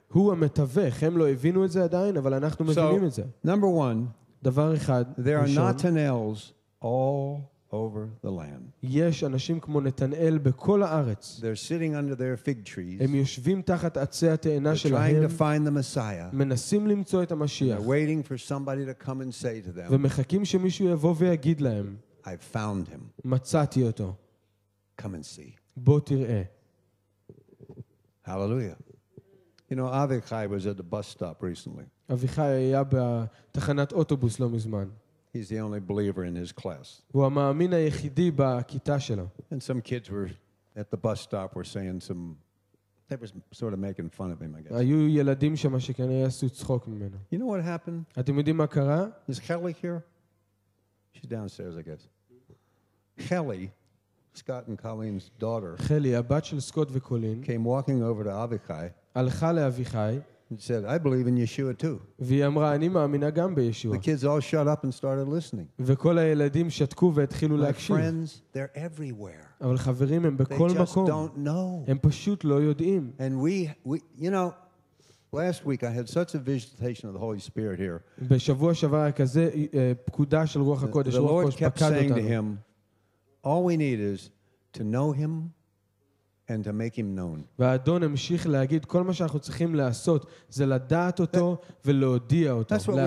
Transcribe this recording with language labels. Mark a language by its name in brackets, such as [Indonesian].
[Hebrew] הוא המתווך, הם לא הבינו את זה עדיין, אבל אנחנו מבינים את זה. [English] Number one, [Hebrew] דבר אחד, [English] there are Nathanaels all over the land. [Hebrew] יש אנשים כמו נתנאל בכל הארץ. [English] They're sitting under their fig trees. [Hebrew] הם יושבים תחת עצי התאנה שלהם. [English] They're trying to find the Messiah. [Hebrew] מנסים למצוא את המשיח. [English] Waiting for somebody to come and say to them. [Hebrew] ומחכים שמישהו יבוא ויגיד להם. [English] I found him. [Hebrew] מצאתי אותו. [English] Come and see. [Hebrew] בוא תראה. [English] Hallelujah. You know, Avichai was at the bus stop recently. [Hebrew] Avichai היה בתחנת אוטובוס לא מזמן. [English] He's the only believer in his class. [Hebrew] הוא המאמין היחידי בכיתה שלו. [English] And some kids were at the bus stop were saying some... They were sort of making fun of him, I guess. [Hebrew] היו ילדים שם שכנראה עשו צחוק ממנו. [English] You know what happened? [Hebrew] אתם יודעים מה קרה? [English] Is Kelly here? She's downstairs, I guess. Kelly, Scott and Colleen's daughter, [Hebrew] Kelly, הבת של סקוט וקולין, [English] came walking over to Avichai. [Hebrew] הלכה לאביחי. [English] He said, I believe in Yeshua too. [Hebrew] והיא אמרה, אני מאמינה גם בישוע. [English] The kids all shut up and started listening. [Hebrew] וכל הילדים שתקו והתחילו להקשיב. [English] My friends, they're everywhere. [Hebrew] אבל חברים, הם בכל מקום. [English] They just don't know. [Hebrew] הם פשוט לא יודעים. [English] And we, you know, last week I had such a visitation of the Holy Spirit here. [Hebrew] בשבוע שעבר היה כזה פקודה של רוח הקודש. [English] The Lord kept saying to him, all we need is to know him and to make him known. [Hebrew] ואדון המשיך להגיד, כל מה שאנחנו צריכים לעשות זה לדעת אותו ולהודיע אותו לאחרים.